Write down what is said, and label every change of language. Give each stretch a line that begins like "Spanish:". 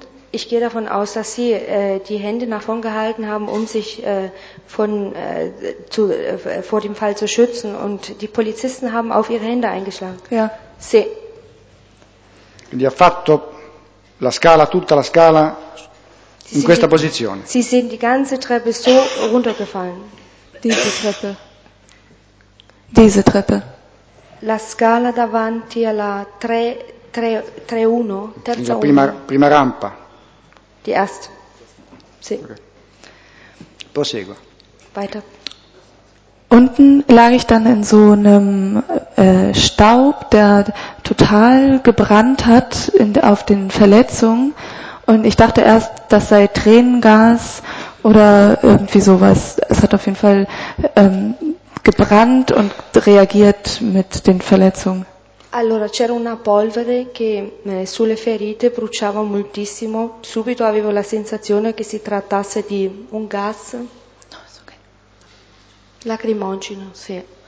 German: Ich gehe davon aus, dass sie die Hände nach vorn gehalten haben, um sich vor dem Fall zu schützen. Und die Polizisten haben auf ihre Hände eingeschlagen. Ja.
Italian: Sì. Quindi ha fatto la scala, tutta la scala, in questa posizione.
German: Sie sind die ganze Treppe so runtergefallen. Diese Treppe. Diese Treppe.
Italian: La scala davanti alla 3 3-1, terza la prima rampa.
German: Die erste. Sì. Okay.
Italian: Prosegue.
German: Weiter. Unten lag ich dann in so einem Staub, der total gebrannt hat auf den Verletzungen. Und ich dachte erst, das sei Tränengas oder irgendwie sowas. Es hat auf jeden Fall gebrannt und reagiert mit den Verletzungen.
Italian: Allora, c'era una polvere che sulle ferite bruciava moltissimo. Subito avevo la sensazione che si trattasse di un gas. Lacrimogeno, sì.